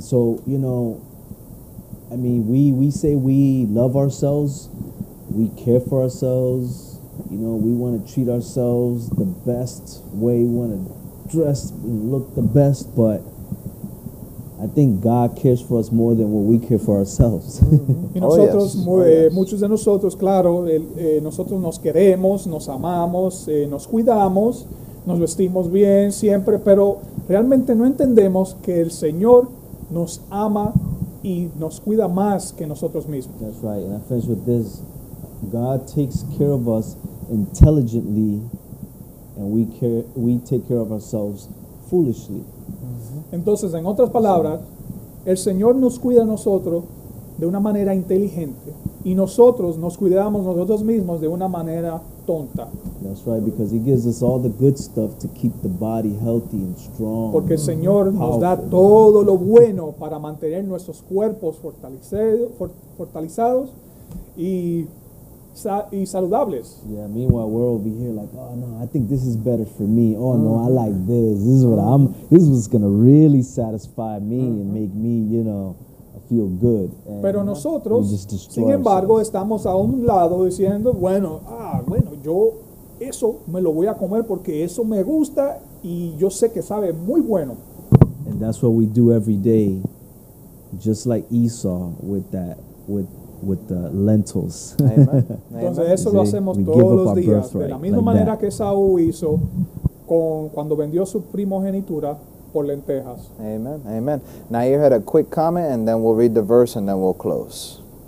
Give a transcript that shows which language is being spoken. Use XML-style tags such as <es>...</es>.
<en>So, you know, I mean, we say we love ourselves, we care for ourselves, you know, we want to treat ourselves the best way, we want to dress look the best, but I think God cares for us more than what we care for ourselves.</en> <es>Y nosotros, muchos de nosotros, claro, nosotros nos queremos, nos amamos, nos cuidamos, nos vestimos bien siempre, pero realmente no entendemos que el Señor nos ama y nos cuida más que nosotros mismos.</es> <en>That's right, and I finish with this. God takes care of us intelligently, and we take care of ourselves foolishly.</en> <es>Entonces, en otras palabras, el Señor nos cuida a nosotros de una manera inteligente y nosotros nos cuidamos nosotros mismos de una manera tonta.</es> <en>That's right, because he gives us all the good stuff to keep the body healthy and strong.</en> <es>Porque el Señor nos da todo lo bueno para mantener nuestros cuerpos fortalizados y saludables.</es> <en>Yeah, meanwhile we're over here like, oh no, I think this is better for me. Oh no, I like this. This is what's gonna really satisfy me and make me, you know, feel good. And</en> <es>pero nosotros, sin embargo, estamos a un lado diciendo, bueno, yo eso me lo voy a comer porque eso me gusta y yo sé que sabe muy bueno.</es> <en>And that's what we do every day, just like Esau with that with with the lentils.</en> <es>Entonces eso lo hacemos todos los días. De la misma manera que Esaú hizo cuando vendió su primogenitura por lentejas.</es> <en>Amen, amen. Nair had a quick comment and then we'll read the verse and then we'll close.</en>